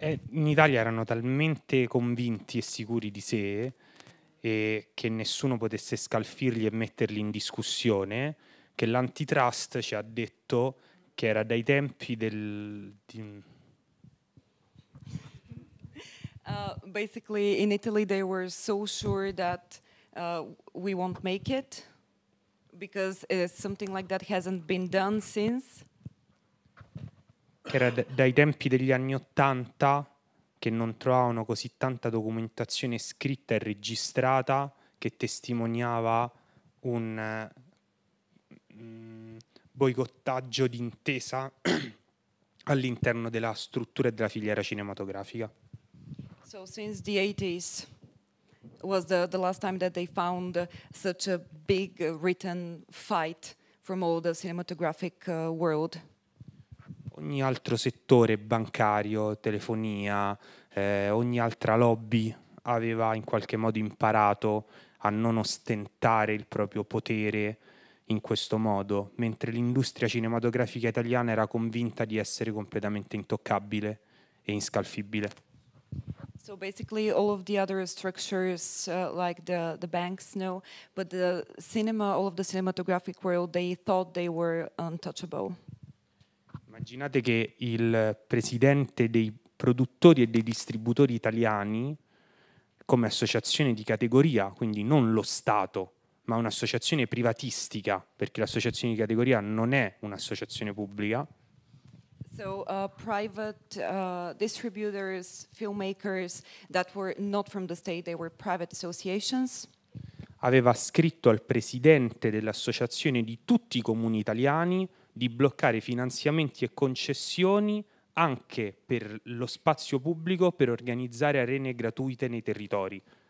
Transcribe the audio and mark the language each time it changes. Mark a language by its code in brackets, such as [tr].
[it] In Italia erano talmente convinti e sicuri di sé che nessuno potesse scalfirli e metterli in discussione che l'antitrust ci ha detto che era dai tempi del... [en] Basically, in Italy they were so sure that we won't make it because something like that hasn't been done since. [it] Che era dai tempi degli anni Ottanta che non trovavano così tanta documentazione scritta e registrata che testimoniava un boicottaggio d'intesa all'interno della struttura e della filiera cinematografica. [en] So since the 80s was the last time that they found such a big written fight from all the cinematographic world. [it] Ogni altro settore bancario, telefonia, ogni altra lobby aveva in qualche modo imparato a non ostentare il proprio potere in questo modo, mentre l'industria cinematografica italiana era convinta di essere completamente intoccabile e inscalfibile. [en] So So basically all of the other structures, like the banks, no, but the cinema, all of the cinematographic world, they thought they were untouchable. [it] Immaginate che il presidente dei produttori e dei distributori italiani, come associazione di categoria, quindi non lo Stato, ma un'associazione privatistica, perché l'associazione di categoria non è un'associazione pubblica. [en] So private distributors, filmmakers that were not from the state, they were private associations. [it] Aveva scritto al presidente dell'associazione di tutti i comuni italiani di bloccare finanziamenti e concessioni anche per lo spazio pubblico per organizzare arene gratuite nei territori.